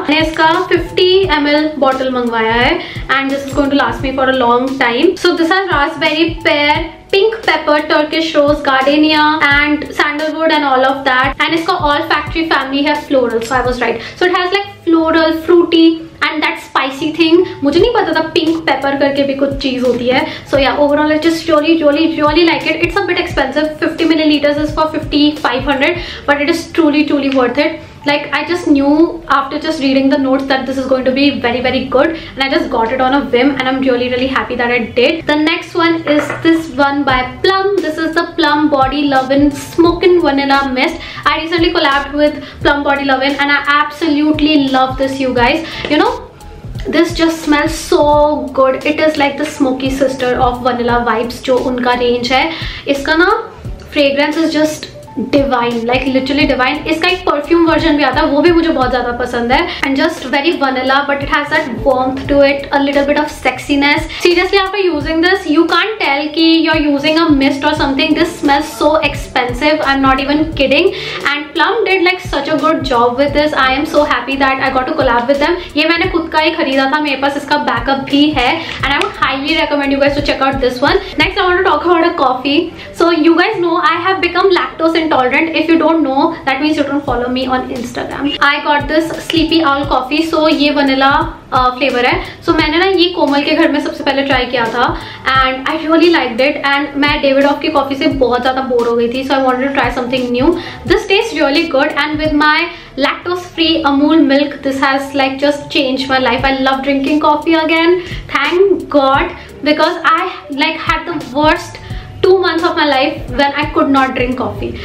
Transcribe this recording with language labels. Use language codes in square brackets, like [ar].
[hi] मैंने इसका 50 ml bottle मंगवाया है, [en] and this is going to last me for a long time. So this has raspberry, pear, pink pepper, Turkish rose, gardenia, and sandalwood, and all of that. And इसका olfactory family है floral, so I was right. So it has like floral, fruity, and that spicy thing. [hi] मुझे नहीं पता था pink pepper करके भी कुछ चीज होती है. [en] So yeah, overall I just really like it. It's a bit expensive. 50 milliliters is for 5500, but it is truly worth it. Like, I just knew after just reading the notes that this is going to be very good, and I just got it on a whim, and I'm really happy that I did. The next one is this one by Plum. This is the Plum Body Lovin' Smokin' Vanilla Mist. I recently collabed with Plum Body Lovin', and I absolutely love this, you guys. You know, this just smells so good. It is like the smoky sister of Vanilla Vibes, [hi] jo unka range hai. Iska na [en] fragrance is just divine, like literally divine. [hi] इसका एक perfume version भी आता है, वो भी मुझे बहुत ज़्यादा पसंद है. [en] And just very vanilla, but it has that warmth to it, a little bit of sexiness. Seriously, after using this, you can't tell कि you're using a mist or something. This smells so expensive. I'm not even kidding. And Plum did like such a good job with this. I am so happy that I got to collab with them. [hi] ये मैंने खुद का ही खरीदा था, मेरे पास इसका backup भी है. [en] And I would highly recommend you guys to check out this one. Next, I want to talk about a coffee. So you guys know I have become lactose intolerant. If you don't know, that means you don't follow me on Instagram. I got this sleepy owl coffee. So [hi] ये vanilla flavor है. So मैंने ना ये कोमल के घर में सबसे पहले try किया था, [en] and I really liked it. [hi] And मैं David Off की coffee से बहुत ज़्यादा bored हो गई थी, [en] so I wanted to try something new. This tastes really good, and with my lactose free Amul milk, this has like just changed my life. I love drinking coffee again. Thank God, because I like had the worst 2 months of my life when I could not drink coffee.